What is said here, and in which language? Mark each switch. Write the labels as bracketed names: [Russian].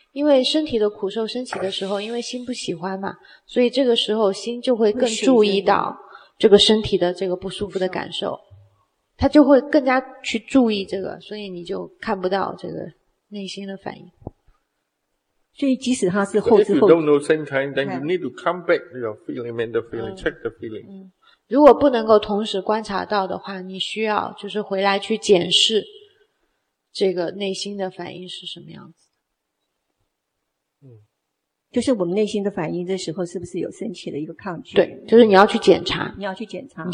[Chinese] 因为身体的苦受升起的时候，因为心不喜欢嘛，所以这个时候心就会更注意到这个身体的这个不舒服的感受，他就会更加去注意这个，所以你就看不到这个内心的反应。所以即使他是后知后觉。 [English] If you don't know same time, then you need to come back to your feeling, mental feeling, check the feeling. [Chinese] 如果不能够同时观察到的话，你需要就是回来去检视这个内心的反应是什么样子。就是我们内心的反应这时候是不是有升起了一个抗拒。对，就是你要去检查。你要去检查。